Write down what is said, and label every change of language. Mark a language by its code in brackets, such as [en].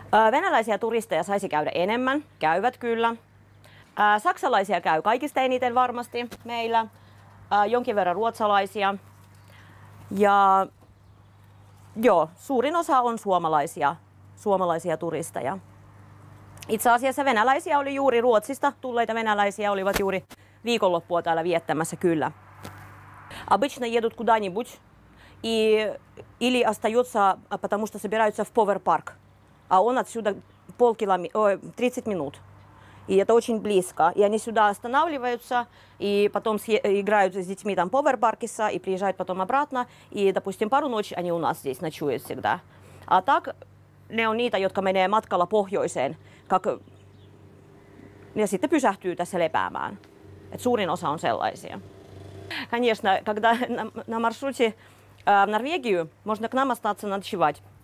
[fi] Venäläisiä turisteja saisi käydä enemmän, käyvät kyllä. Saksalaisia käy kaikista eniten varmasti meillä, jonkin verran ruotsalaisia. Ja joo, suurin osa on suomalaisia turisteja. Itse asiassa venäläisiä oli juuri Ruotsista, tulleita venäläisiä olivat juuri viikonloppua täällä viettämässä, kyllä. [ru] Обычно едут куда-нибудь и или остаются, потому что собираются в Power Park. А он отсюда 30 минут. И это очень близко. И они сюда останавливаются и потом играют с детьми там Power Park'е и приезжают потом обратно. И, допустим, пару ночи они у нас здесь ночуют всегда. А так [fi] ne on niitä, jotka menee matkalla pohjoiseen, ja sitten pysähtyy tässä lepäämään. Et suurin osa on sellaisia. [ru] Конечно, когда на маршруте в Норвегию, можно к нам остаться ночевать.